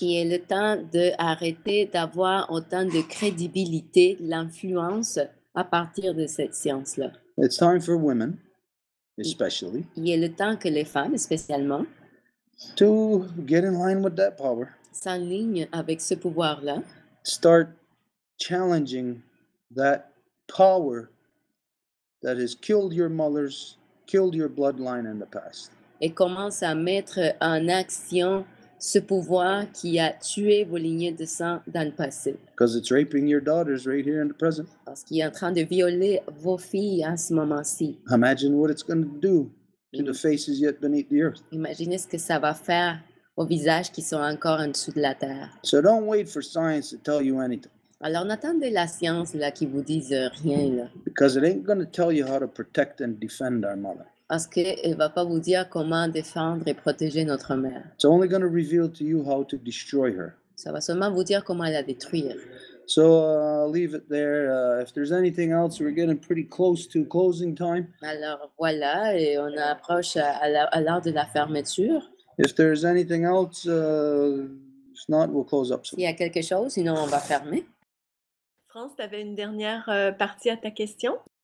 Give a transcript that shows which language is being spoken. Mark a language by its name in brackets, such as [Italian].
[French] Il est le temps d'arrêter d'avoir autant de crédibilité, l'influence à partir de cette science-là. [English] It's time for women, especially. [French] Il est le temps que les femmes, spécialement, [English] to get in line with that power. [French] S'enlignent avec ce pouvoir-là. [English] Start challenging that power that has killed your mothers, killed your bloodline in the past. [French] Et commence à mettre en action ce pouvoir qui a tué vos lignées de sang dans le passé. [English] Because it's raping your daughters right here in the present. [French] Parce qu'il est en train de violer vos filles à ce moment-ci. [English] Imagine what it's going to do to the faces yet beneath the earth. [French] Imaginez ce que ça va faire aux visages qui sont encore en dessous de la terre. [English] So don't wait for science to tell you anything. [French] Alors n'attendez la science là qui vous dise rien là. [English] Because it ain't going to tell you how to protect and defend our mother. [French] Parce qu'elle ne va pas vous dire comment défendre et protéger notre mère. [English] It's only going to reveal to you how to destroy her. [French] Ça va seulement vous dire comment la détruire. [English] So I'll leave it there. If there's anything else, we're getting pretty close to closing time. [French] Alors voilà, et on approche à l'heure de la fermeture. [English] If there's anything else, if not, we'll close up. [French] S'il y a quelque chose, sinon on va fermer. France, tu avais une dernière partie à ta question?